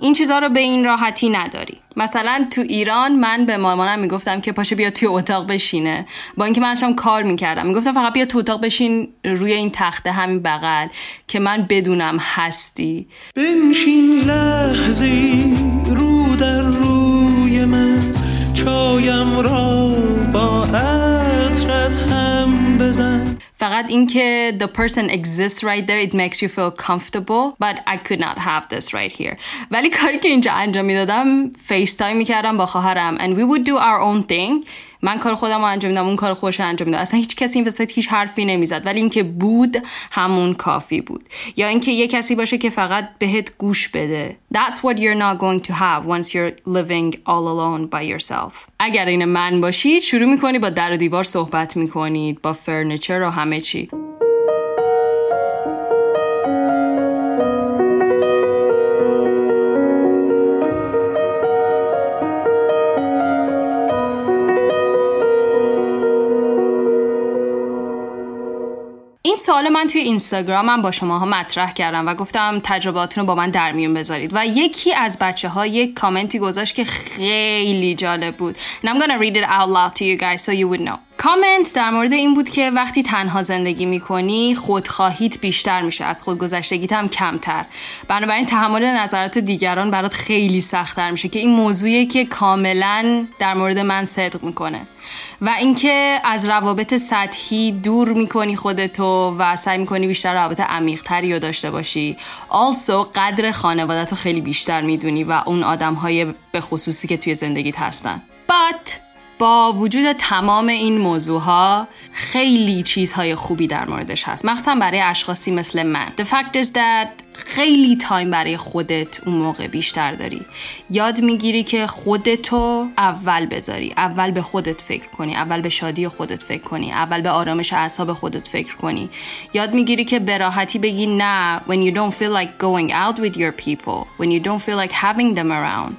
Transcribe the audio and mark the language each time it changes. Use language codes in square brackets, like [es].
[fa] این چیزها رو به این راحتی نداری. مثلا تو ایران من به مامانم میگفتم که پاشه بیا توی اتاق بشینه, با اینکه من داشتم کار میکردم میگفتم فقط بیا تو اتاق بشین روی این تخته همین بغل که من بدونم هستی. بنشین لحظه رو در روی من, چایم را با عطرت هم بزن. فقط این که [en] the person exists right there, it makes you feel comfortable, but I could not have this right here. [fa] ولی کاری که اینجا انجام میدادم فیستایم میکردم با خواهرم, [en] and we would do our own thing. [fa] من کار خودم رو انجام میدم, اون کار خوش انجام میداد, اصلا هیچ کسی این وسط هیچ حرفی نمیزد, ولی این که بود همون کافی بود. یا این که یه کسی باشه که فقط بهت گوش بده. [en] That's what you're not going to have once you're living all alone by yourself. [fa] اگر این من باشی شروع میکنی با در و دیوار صحبت میکنید, با فرنیچر و همه چی. این سوال من توی اینستاگرامم با شماها مطرح کردم و گفتم تجرباتونو با من در میون بذارید, و یکی از بچه‌ها یک کامنتی گذاشت که خیلی جالب بود. [en] And I'm gonna read it out loud to you guys so you would know. [fa] کامنت در مورد این بود که وقتی تنها زندگی میکنی خودخواهیت بیشتر میشه, از خودگذشتگیت هم کمتر, بنابراین تحمل نظرات دیگران برات خیلی سخت‌تر میشه, که این موضوعیه که کاملا در مورد من صدق میکنه. و اینکه از روابط سطحی دور میکنی خودتو و سعی میکنی بیشتر روابط عمیق‌تری رو داشته باشی. [en] Also [fa] قدر خانوادتو خیلی بیشتر میدونی و اون آدم‌های به خصوصی که توی زندگیت هستن. [en] But [fa] با وجود تمام این موضوعها خیلی چیزهای خوبی در موردش هست, مخصوصا برای اشخاصی مثل من. [en] The fact is that [fa] خیلی تایم برای خودت اون موقع بیشتر داری. یاد میگیری که خودتو اول بذاری، اول به خودت فکر کنی، اول به شادی خودت فکر کنی، اول به آرامش اعصاب خودت فکر کنی. یاد میگیری که به راحتی بگی نه. [en] When you don't feel like going out with your people, when you don't feel like having them around.